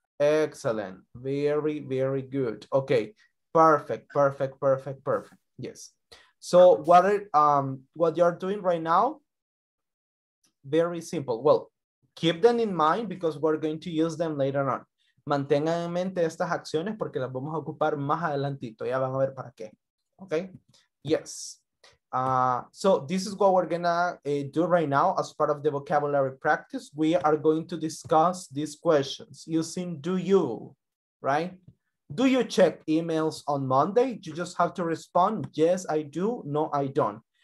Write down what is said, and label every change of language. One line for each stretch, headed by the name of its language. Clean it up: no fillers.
English: Excellent. Very, very good. Okay. Perfect. Yes. So what you're doing right now? Very simple. Well, keep them in mind because we're going to use them later on.
Spanish: Mantengan en mente estas acciones porque las vamos a ocupar más adelantito. Ya van a ver para qué. Okay. Yes.
English: So this is what we're going to do right now as part of the vocabulary practice. We are going to discuss these questions using do you, right? Do you check emails on Monday? You just have to respond, yes, I do, no, I don't.